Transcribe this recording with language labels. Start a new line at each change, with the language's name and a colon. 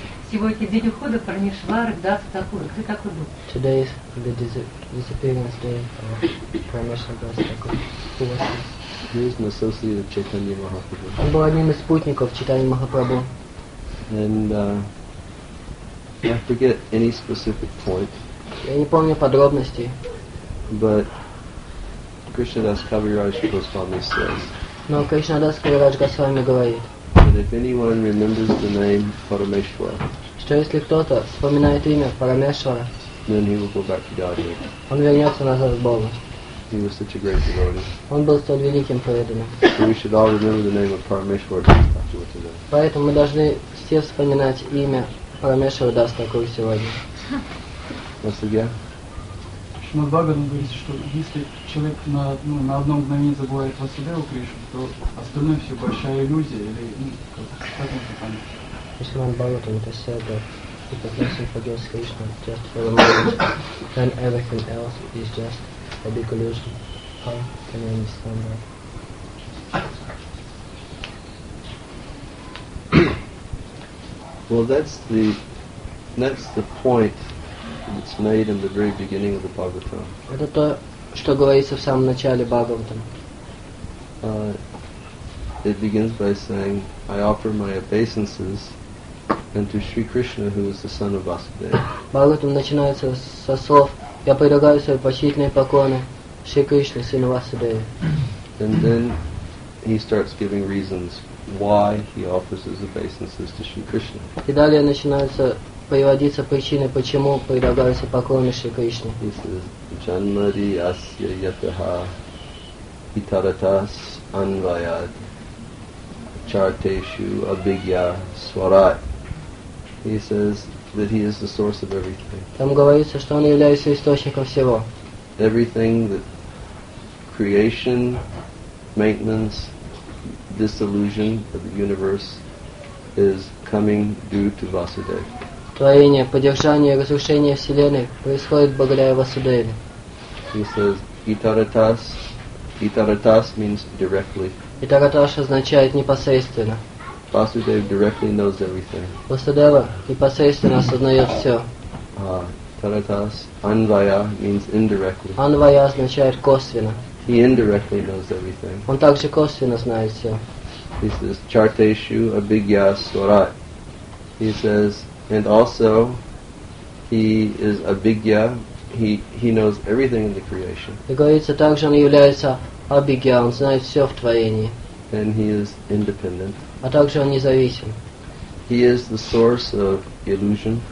Russian: Сегодня день ухода Парамешвары в Дасатакуру. Ты какой был?
English: Today is the disappearance day of
Russian: Парамешвары в Дасатакуру.
English: He is an associate of Chaitanya Mahaprabhu.
Russian: Он был одним из спутников Чайтанья Махапрабху.
English: And I forget any specific point.
Russian: Я не помню подробностей.
English: But Krishnadas Kaviraj Goswami says.
Russian: Но Кришнадас Кавирадж Госвами говорит.
English: And if anyone remembers the name Парамешвара.
Russian: Что если кто-то вспоминает имя Парамешвара?
English: Then he will go back to Godhead.
Russian: Он вернется назад к Богу.
English: He was such a great devotee.
Russian: Он был столь великим преданным.
English: So we should all remember the name of Parameshwar Dastakur today.
Russian: Поэтому мы должны все вспоминать имя Парамешвара Дастакур сегодня.
English: Once again.
Russian: Шримад Бхагаван говорит, что если человек на одно мгновение забывает Васудеву Кришну, то остальное все большая иллюзия или как он понимает. Шримад Бхагаван это
English: said that if a person forgets Krishna just for a moment, then everything else is just a big illusion. How can you understand that? Well, that's the point that's made in the very beginning of the Bhagavatam.
Russian: Это то, что говорится в самом начале Бхагаватам.
English: It begins by saying, "I offer my obeisances unto Sri Krishna, who is the son of Vasudeva."
Russian: Бхагаватам начинается со слов. Я предлагаю свои почтительные поклоны Шри Кришне, сыну Васудеве.
English: And then he starts giving reasons why he offers his obeisances to Shri Krishna.
Russian: И далее начинаются приводиться причины, почему предлагаются поклоны Шри Кришне.
English: He says,
Sanskrit: Janmadi asya yataha itaratas anvayad charteshu abhigya swarat.
English: He says that he is the source of everything.
Russian: Там говорится, что он является источником всего.
English: Everything that creation, maintenance, dissolution of the universe is coming due to Vasudeva.
Russian: Творение, поддержание, разрушение вселенной происходит благодаря Васудеве.
English: He says itaratas. Itaratas means directly.
Russian: Itaratas означает непосредственно.
English: Vasudeva directly knows everything.
Russian: Vasudeva непосредственно осознает все.
English: Taratas, anvaya means indirectly.
Russian: Anvaya означает косвенно.
English: He indirectly knows everything.
Russian: Он также косвенно знает все.
English: He says,
Sanskrit: charteshu abhigya swarat.
English: He says, and also, he is abhigya, he knows everything in the creation.
Russian: И говорится, также он является абхигья, он знает все в творении.
English: And he is independent.
Russian: А также он независим.
English: He is the source of illusion.